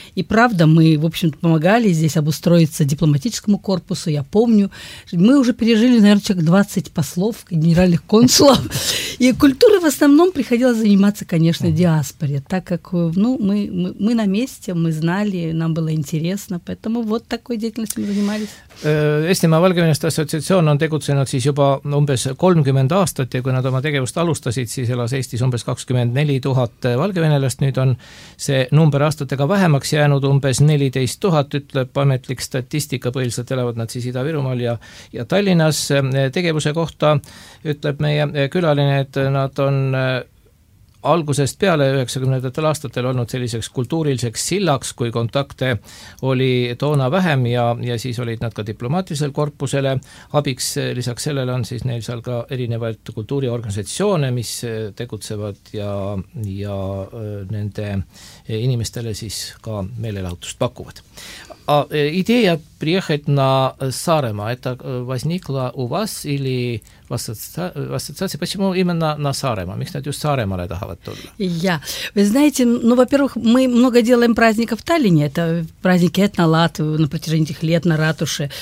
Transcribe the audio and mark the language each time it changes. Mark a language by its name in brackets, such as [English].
[Russian] И правда, мы, в общем-то, помогали здесь обустроиться дипломатическому корпусу, я помню. Мы уже пережили, наверное, человек 20 послов, генеральных консулов. И культурой в основном приходилось заниматься, конечно, диаспоре, так как ну, мы на месте, мы знали, нам было интересно, поэтому вот такой деятельностью мы занимались. [Estonian] Eestimaa Valgevenelaste Assotsiatsioon on tegutsenud siis juba umbes 30 aastat ja kui nad oma tegevust alustasid, siis elas Eestis umbes 24 000 valgevenelast. Nüüd on see number aastatega vähemaks jäänud umbes 14 000, ütleb ametlik statistika põhjus. Ilmselt elavad nad siis Ida-Virumaal ja Tallinnas. Tegevuse kohta ütleb meie külaline, et nad on algusest peale 90. aastatel olnud selliseks kultuuriliseks sillaks, kui kontakte oli toona vähem ja siis olid nad ka diplomaatilisel korpusele. Abiks lisaks sellele on siis neil seal ka erinevalt kultuuriorganisatsioone, mis tegutsevad ja nende inimestele siis ka meelelahutust pakuvad. [Russian] А идея приехать на Сарема, это возникла у вас или в ассоциации? Почему именно на Сарема? Мы, кстати, у Сарема это говорим. Вы знаете, ну, во-первых, мы много делаем праздников в Таллине, это праздники этно-латвы на протяжении этих лет на ратуше.